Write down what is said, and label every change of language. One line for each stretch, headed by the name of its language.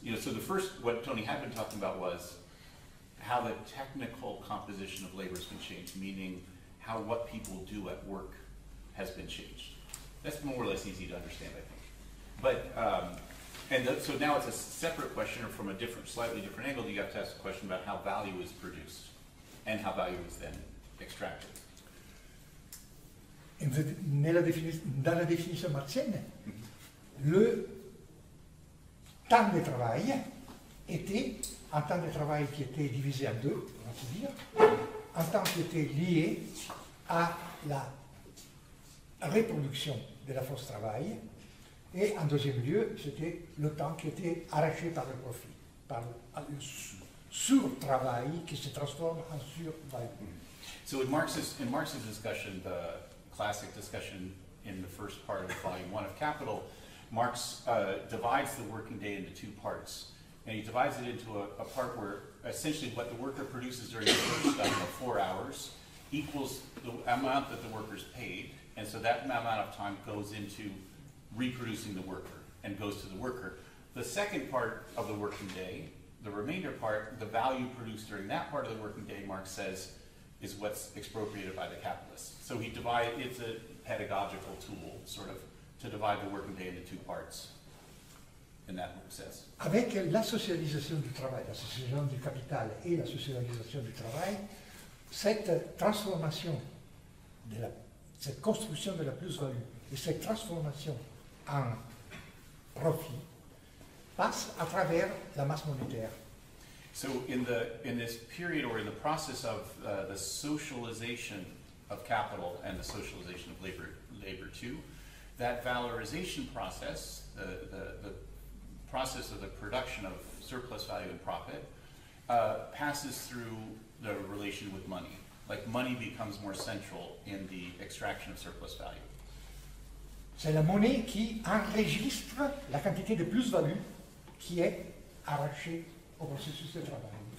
English: You know, so the first what Toni had been talking about was how the technical composition of labor has been changed, meaning how what people do at work has been changed. That's more or less easy to understand, I think. But so now it's a separate question, or from a different, slightly different angle, you have to ask a question about how value is produced and how value is then extracted.
French: Dans la définition marxienne, le temps de travail était un temps de travail qui était divisé en deux, on va dire, un temps qui était lié à la reproduction de la force travail, et en deuxième lieu, c'était le temps qui était arraché par le profit, par le sur-travail qui se transforme en sur-value.
English: So in Marx's discussion, the classic discussion in the first part of volume one of Capital, Marx divides the working day into two parts, and he divides it into a part where essentially what the worker produces during the first 4 hours equals the amount that the worker's paid. And so that amount of time goes into reproducing the worker and goes to the worker. The second part of the working day, the remainder part, the value produced during that part of the working day, Marx says, is what's expropriated by the capitalist. So he divides, it's a pedagogical tool, sort of, to divide the working day into two parts. And that Marx says.
French: Avec la socialisation du travail, la socialisation du capital et la socialisation du travail, cette transformation de la cette construction de la plus-value et cette transformation en profit passe à travers la masse monétaire.
English: So in this period or in the process of the socialization of capital and the socialization of labor too. That valorization process, the process of the production of surplus value and profit, passes through the relation with money. Like money becomes more central in the extraction of surplus value.
French: C'est la monnaie qui enregistre la quantité de plus-value qui est arrachée au processus de travail.